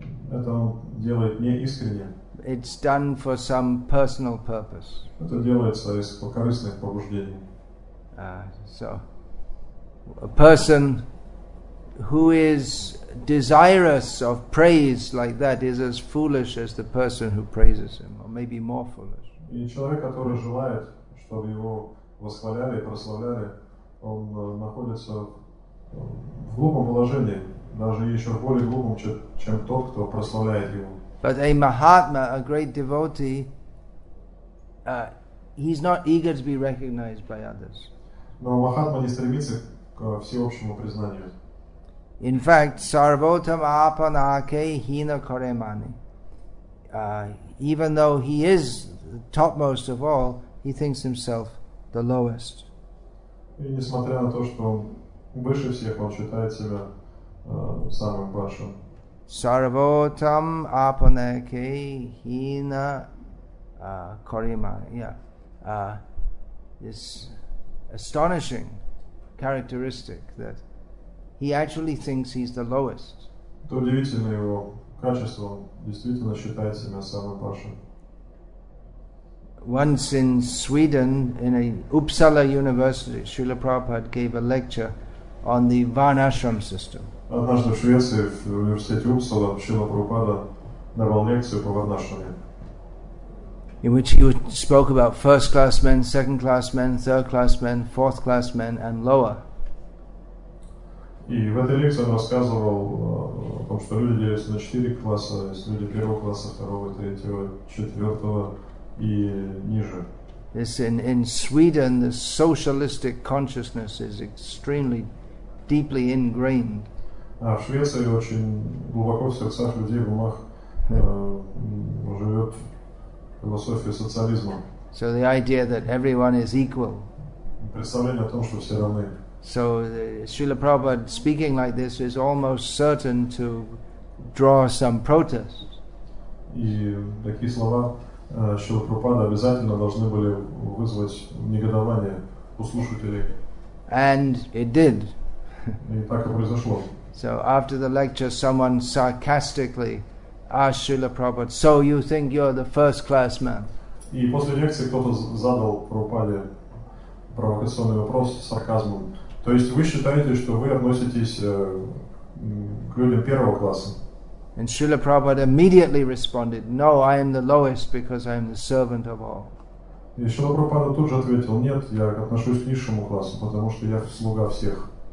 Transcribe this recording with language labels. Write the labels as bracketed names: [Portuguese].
[Russian] Это он делает не искренне. [English] It's done for some personal purpose. [Russian] Это делается из корыстных побуждений. [English] So, a person who is desirous of praise like that is as foolish as the person who praises him, or maybe more foolish. [Russian] И человек, который желает, чтобы его восхваляли и прославляли, он находится в глупом положении, даже еще более глупом, чем тот, кто прославляет его. [English] But a Mahatma, a great devotee, he's not eager to be recognized by others. [Russian] Но Махатма не стремится к всеобщему признанию. [English] In fact, [Bangla] sarvotam apanake hina karemani. [English] Even though he is the topmost of all, he thinks himself the lowest. [Russian] И несмотря на то, что он выше всех, он считает себя самым большим. [Bangla] Sarvotam apanake hina karima. [English] This astonishing characteristic that he actually thinks he's the lowest. [Russian] Это удивительное его качество. Он действительно считает себя самым большим. [English] Once in Sweden, in a Uppsala University, Srila Prabhupada gave a lecture on the Varnashram system. [Russian] Однажды в Швеции, в университете Уппсала, Шрила Прабхупада давал лекцию по Варнашраме. [English] In which he spoke about first class men, second class men, third class men, fourth class men and lower. [Russian] И в этой лекции он рассказывал о том, что люди делятся на четыре класса, есть люди первого класса, второго, третьего, четвертого и ниже. [English] This in Sweden, the socialistic consciousness is extremely deeply ingrained. [Russian] А в Швеции очень глубоко в сердцах людей, в умах живет философия социализма. [English] So the idea that everyone is equal. [Russian] Представление о том, что все равны. [English] So Srila Prabhupada speaking like this is almost certain to draw some protest. [Russian] И такие слова Шрила Прабхупады обязательно должны были вызвать негодование у слушателей. [English] And it did. [Russian] И так и произошло. [English] So after the lecture, someone sarcastically asked Srila Prabhupada, "So you think you're the first class man?" [Russian] И после лекции кто-то задал Прабхупаде провокационный вопрос с сарказмом. То есть вы считаете, что вы относитесь к людям первого класса? [English] And Srila Prabhupada immediately responded, "No, I am the lowest because I am the servant of all." [Russian] И Шрила Прабхупада тут же ответил, "Нет, я отношусь к низшему классу, потому что я слуга всех."